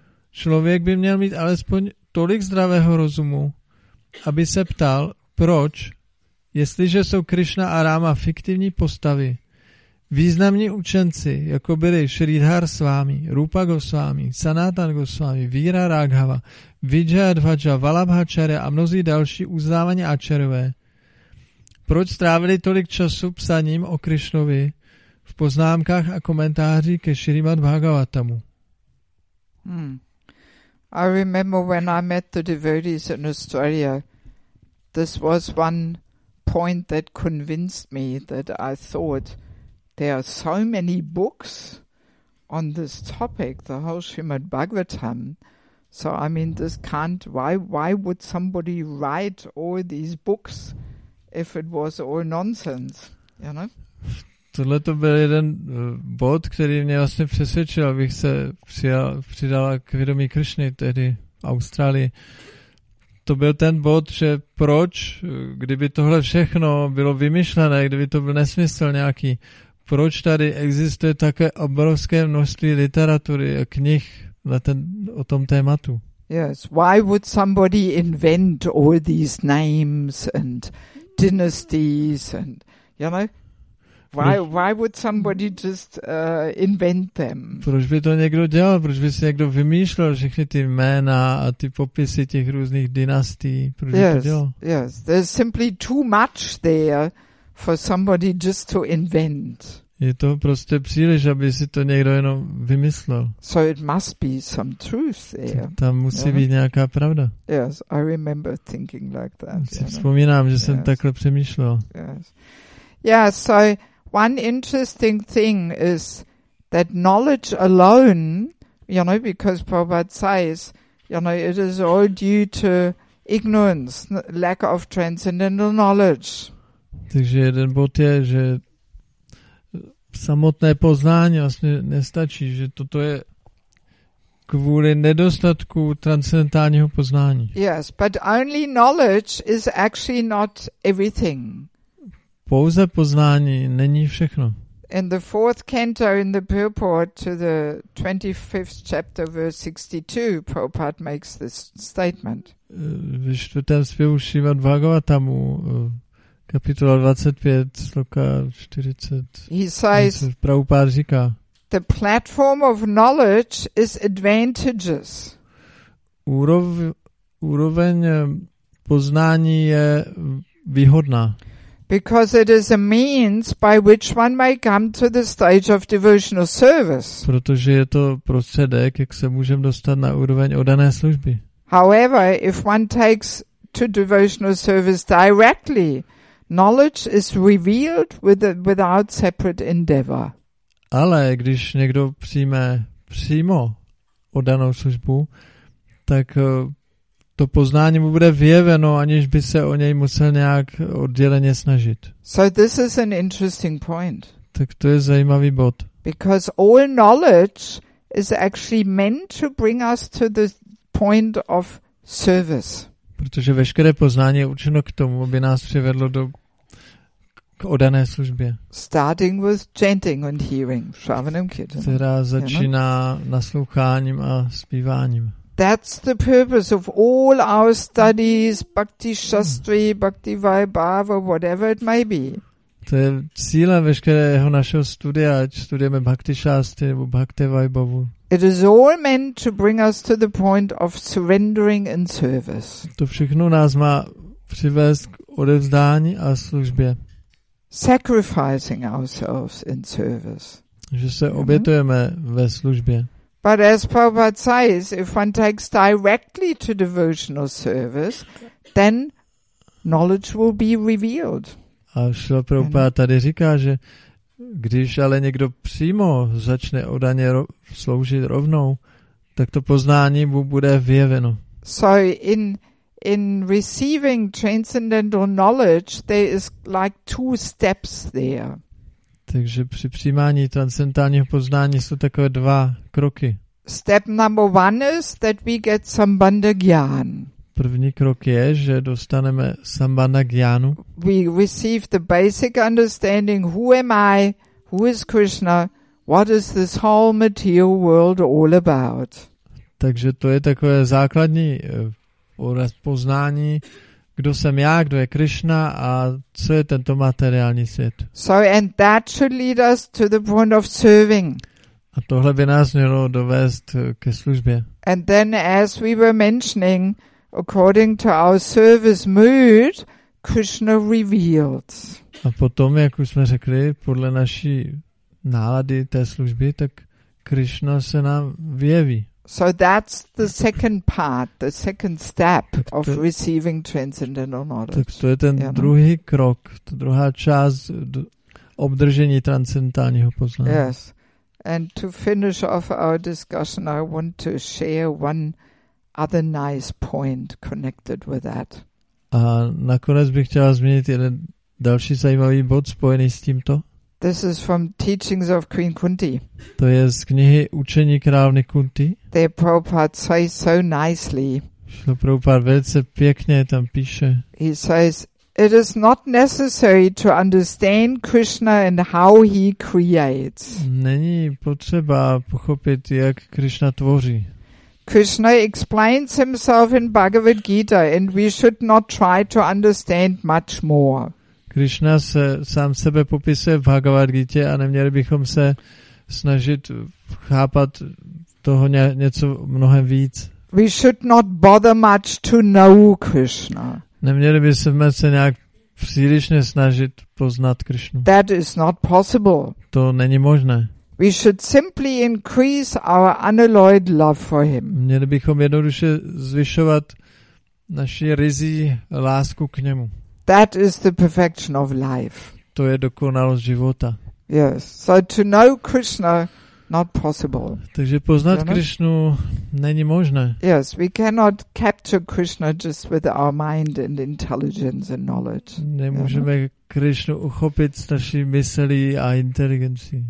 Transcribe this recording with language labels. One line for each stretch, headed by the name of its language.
Czech: Člověk by měl mít alespoň tolik zdravého rozumu, aby se ptal, proč, jestliže jsou Krišna a Ráma fiktivní postavy, významní učenci, jako byli Sridhar Swami, Rupa Goswami, Sanatan Goswami, Víra Raghava, Vijayadvaja, Valabhacharya a mnozí další uznávaní áčarové, proč strávili tolik času psaním o Krišnovi v poznámkách a komentářích ke Srimad Bhagavatamu?
English: I remember when I met the devotees in Australia, this was one point that convinced me that I thought there are so many books on this topic, the whole Srimad Bhagavatam. So, I mean, this can't, why would somebody write all these books if it was all nonsense, you know?
Czech: Tohle to byl jeden bod, který mě vlastně přesvědčil, abych se přidala k vědomí Krišny tehdy v Austrálii. To byl ten bod, že proč, kdyby tohle všechno bylo vymyšlené, kdyby to byl nesmysl nějaký, proč tady existuje také obrovské množství literatury a knih na ten, o tom tématu?
English: Yes, why would somebody invent all these names and dynasties and, you know? Why would somebody just invent them?
Czech: Proč by to někdo dělal? Proč by si někdo vymýšlel všechny ty jména a ty popisy těch různých dynastií? Proč
English: yes,
Czech: by to dělal?
English: Yes, there's simply too much there for somebody just to invent.
Czech: Je to prostě příliš, aby si to někdo jenom vymyslel.
English: So it must be some truth there.
Czech: Tam musí být nějaká pravda.
English: Yes, I remember thinking like that.
Czech: Si vzpomínám, že jsem takhle přemýšlel.
English: Yes. Yeah, so one interesting thing is that knowledge alone, you know, because Prabhupada says, you know, it is all due to ignorance, lack of transcendental knowledge.
Czech: Takže jeden bod je, že samotné poznání vlastně nestačí, že toto je kvůli nedostatku transcendentálního poznání.
English: Yes, but only knowledge is actually not everything.
Czech: Pouze poznání není všechno.
English: In the fourth canto in the purport to the 25th chapter verse 62, Prabhupada makes this statement.
Czech: Ve čtvrtém zpěvu Šrimad Bhagavatamu, kapitola 25, sloka 40. Prabhupada říká,
English: the platform of knowledge is advantageous.
Czech: Úroveň poznání je výhodná.
English: Because it is a means by which one may come to the stage of devotional service.
Czech: Protože je to prostředek, jak se můžeme dostat na úroveň oddané služby.
English: However, if one takes to devotional service directly, knowledge is revealed without separate endeavor.
Czech: Ale když někdo přijme přímo oddanou službu, tak to poznání mu bude vyjeveno, aniž by se o něj musel nějak odděleně snažit.
English: So this is an interesting point.
Czech: Tak to je zajímavý bod.
English: Because all knowledge is actually meant to bring us to the point of service.
Czech: Protože veškeré poznání je určeno k tomu, aby nás přivedlo do k oddané službě.
English: Starting with chanting and hearing, shravanam kirtanam.
Czech: Která začíná nasloucháním a zpíváním.
English: That's the purpose of all our studies, bhakti shastri, bhakti vaibhava, whatever it may be.
Czech: To je cílem veškerého našeho studia, ať studujeme bhakti shastri nebo bhakti vaibhavu.
English: It is all meant to bring us to the point of surrendering in service.
Czech: To všechno nás má přivést k odevzdání a službě.
English: Sacrificing ourselves in service.
Czech: Že se obětujeme ve službě.
English: But as Prabhupada says, if one takes directly to devotional service, then knowledge will be revealed.
Czech: A Šrila Prabhupada tady říká, že když ale někdo přímo začne oddaně sloužit rovnou, tak to poznání mu bude vyjeveno.
English: So in receiving transcendental knowledge, there is like two steps there.
Czech: Takže při přijímání transcendentálního poznání jsou takové dva kroky.
English: Step number one is that we get sambandha gyan.
Czech: První krok je, že dostaneme sambandha gyanu.
English: We receive the basic understanding, who am I, who is Krishna, what is this whole material world all about.
Czech: Takže to je takové základní poznání, kdo jsem já, kdo je Krishna a co je tento materiální svět.
English: So and that should lead us to the point of serving.
Czech: A tohle by nás mělo dovést ke službě.
English: And then as we were mentioning, according to our service mood, Krishna revealed.
Czech: A potom, jak už jsme řekli, podle naší nálady té služby, tak Krishna se nám vyjeví.
English: So that's the second part, the second step of receiving transcendental knowledge.
Czech: Tak to je ten druhý krok, ta druhá část obdržení transcendentálního poznání.
English: Yes. And to finish off our discussion, I want to share one other nice point connected with that.
Czech: A nakonec bych chtěla zmínit jeden další zajímavý bod spojený s tímto.
English: This is from teachings of Queen Kunti.
Czech: To je z knihy Učení královny Kunti.
English: There Prabhupada says so nicely.
Czech: Šlo Prabhupada velice pěkně, tam píše.
English: He says, it is not necessary to understand Krishna and how he creates.
Czech: Není potřeba pochopit, jak Krishna tvoří.
English: Krishna explains himself in Bhagavad Gita and we should not try to understand much more.
Czech: Krishna se sám sebe popisuje v Bhagavad Gita a neměli bychom se snažit chápat toho něco mnohem víc.
English: We should not bother much to know Krishna.
Czech: Neměli bychom se nějak přílišně snažit poznat Krishnu.
English: That is not possible.
Czech: To není možné.
English: We should simply increase our unalloyed love for him.
Czech: Měli bychom jednoduše zvyšovat naši ryzí lásku k němu.
English: That is the perfection of life.
Czech: To je dokonalost života.
English: Yes. So to know Krishna, not possible.
Czech: Takže poznat Krishnu není možné.
English: Yes, we cannot capture Krishna just with our mind and intelligence and knowledge.
Czech: Nemůžeme Krishnu uchopit s naší myslí a inteligencí.